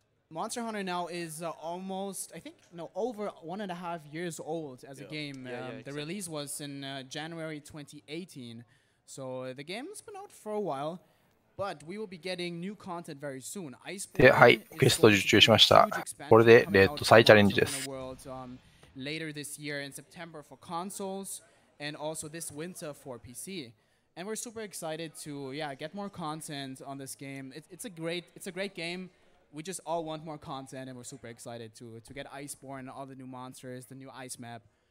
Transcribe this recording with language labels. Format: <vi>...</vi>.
<en>Monster Hunter now is almost, I think, no, over 1.5 years old as a game. The release was in January 2018. So the game has been out for a while, but we will be getting new content very soon.</en> <ja>Iceborne はい、クエスト受注しました。これでレッド再チャレンジです。</ja> <en>Later this year in September for consoles and also this winter for PC. And we're super excited to, yeah, get more content on this game. It's a great game. We just all want more content and we're super excited to get Iceborne, all the new monsters, the new ice map.</en>